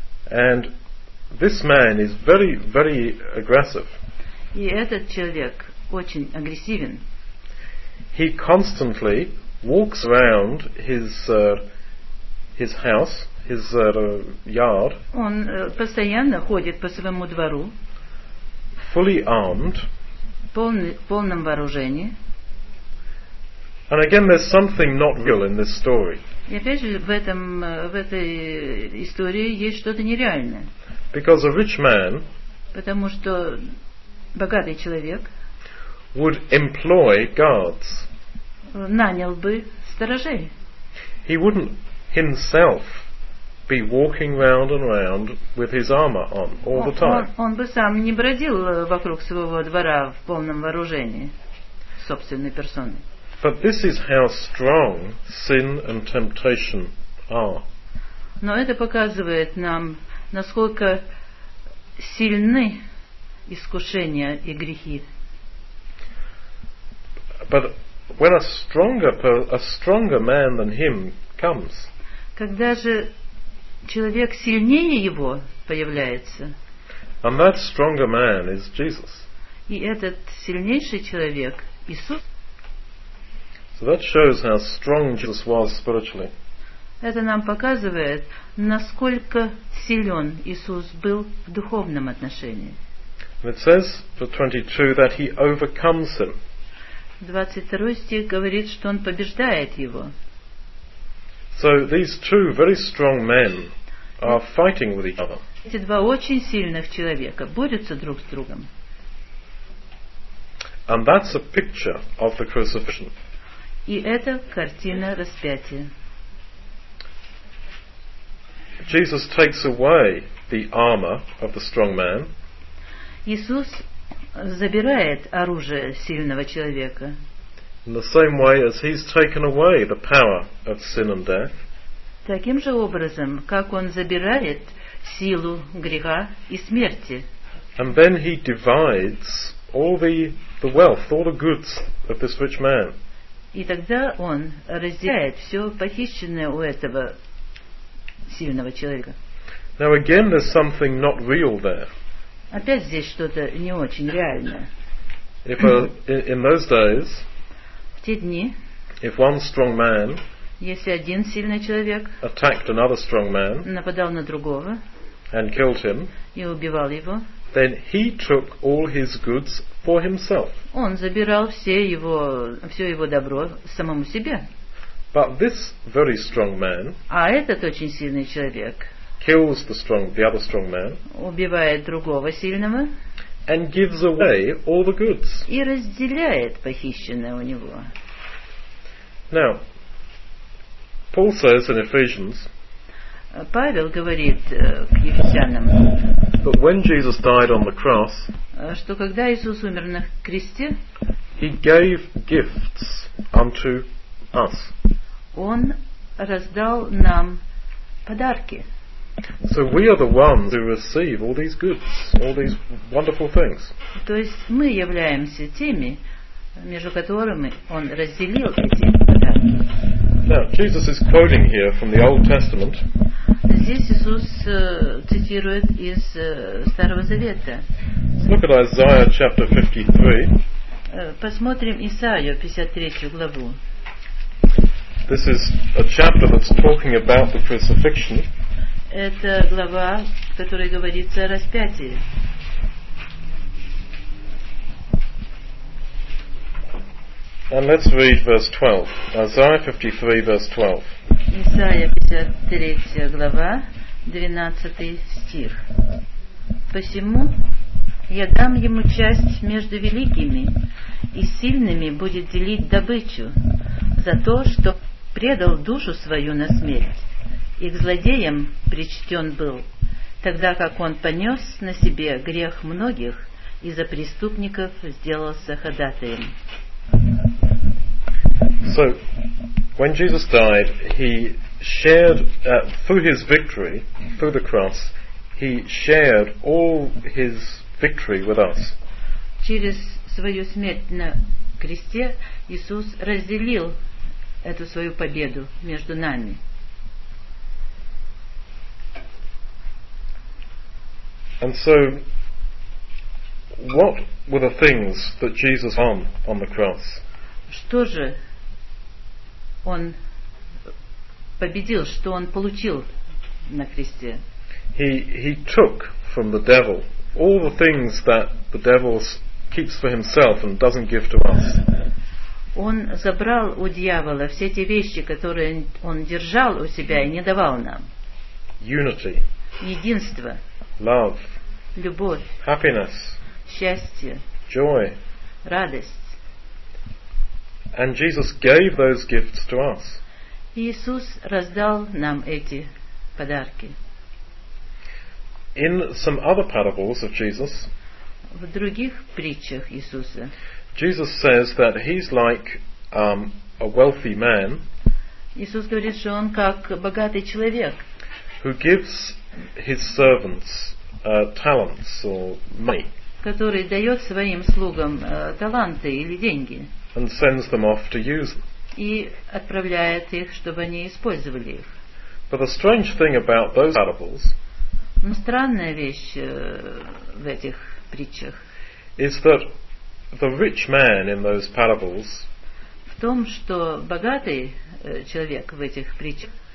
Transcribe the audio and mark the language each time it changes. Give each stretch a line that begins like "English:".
English: And this man is very, very aggressive.
Russian: И этот человек очень агрессивен.
English: He constantly walks around his house, his yard.
Russian: Он постоянно ходит по своему двору.
English: Fully armed.
Russian: Полном вооружении.
English: And again, there's something not real in this story.
Russian: И опять же, в этой истории есть что-то нереальное.
English: Because a rich man,
Russian: потому что богатый человек,
English: would employ guards.
Russian: Нанял бы сторожей.
English: He wouldn't himself be walking round and round with his armor on all the time.
Russian: Он бы сам не бродил вокруг своего двора в полном вооружении собственной персоной.
English: But this is how strong sin and temptation are.
Russian: Но это показывает нам, насколько сильны искушения и грехи.
English: But when a stronger man than him comes,
Russian: когда же человек сильнее его появляется,
English: and that stronger man is Jesus.
Russian: И этот сильнейший человек Иисус.
English: So that shows how strong Jesus was spiritually.
Russian: Это нам показывает, насколько силен Иисус был в духовном отношении.
English: And it says, for 22, that he overcomes him.
Russian: 22 стих говорит, что он побеждает его.
English: So these two very strong men are fighting with each other.
Russian: Эти два очень сильных человека борются друг с другом.
English: And that's a picture of the crucifixion.
Russian: И это картина распятия.
English: Jesus takes away the armor of the strong man.
Russian: Иисус забирает оружие сильного человека.
English: In the same way as he's taken away the power of sin and death.
Russian: Таким же образом, как он забирает силу греха и смерти.
English: And then he divides all the wealth, all the goods of this rich man.
Russian: И тогда он разделяет все похищенное у этого сильного человека.
English: Now again, there's something not real there.
Russian: Опять здесь что-то не очень реальное.
English: If in those days,
Russian: в те дни,
English: if one strong man,
Russian: если один сильный человек,
English: attacked another strong man,
Russian: нападал на другого,
English: and killed him,
Russian: и убивал его,
English: then he took all his goods for himself.
Russian: Он забирал все его добро самому себе.
English: But this very strong man,
Russian: а этот очень сильный человек,
English: kills the other strong man,
Russian: убивает другого сильного,
English: and gives away all the goods,
Russian: и разделяет похищенное у него.
English: Now, Paul says in Ephesians,
Russian: Павел говорит к Ефесянам,
English: but when Jesus died on the cross,
Russian: что когда Иисус умер на кресте,
English: he gave gifts unto us.
Russian: Он раздал нам подарки.
English: So we are the ones who receive all these goods, all these wonderful things.
Russian: То есть мы являемся теми, между которыми он разделил эти подарки.
English: Now, Jesus is quoting here from the Old Testament.
Russian: здесь Иисус цитирует из Старого Завета.
English: Look at Isaiah chapter 53.
Russian: Посмотрим Исаию 53 главу.
English: This is a chapter that's talking about the crucifixion.
Russian: Это глава, в которой говорится о распятии.
English: And let's read verse 12. Isaiah 53, verse 12.
Russian: Исаия 53 глава, 12 стих. Посему я дам ему часть между великими, и сильными будет делить добычу за то, что предал душу свою на смерть, и к злодеям причтен был, тогда как он понес на себе грех многих и за преступников сделался ходатаем.
English: So, when Jesus died, he shared, through his victory, through the cross, he shared all his victory with us.
Russian: Через свою смерть на кресте Иисус разделил эту свою победу между нами.
English: And so, what were the things that Jesus won on the cross?
Russian: Что же он победил, что он получил на кресте?
English: He took from the devil all the things that the devil keeps for himself and doesn't give to us.
Russian: Он забрал у дьявола все те вещи, которые он держал у себя и не давал нам.
English: Unity.
Russian: Единство.
English: Love.
Russian: Любовь.
English: Happiness.
Russian: Счастье.
English: Joy.
Russian: Радость.
English: And Jesus gave those gifts to us.
Russian: Иисус раздал нам эти подарки.
English: In some other parables of Jesus,
Russian: в других притчах Иисуса,
English: Jesus says that he's like a wealthy man.
Russian: Иисус говорит, что он как богатый человек.
English: Who gives his servants talents or money?
Russian: Который дает своим слугам таланты или деньги.
English: And sends them off to use them.
Russian: И отправляет их, чтобы они использовали их.
English: But the strange thing about those parables,
Russian: но странная вещь в этих притчах,
English: is that the rich man in those parables,
Russian: в том, что богатый человек в этих притчах,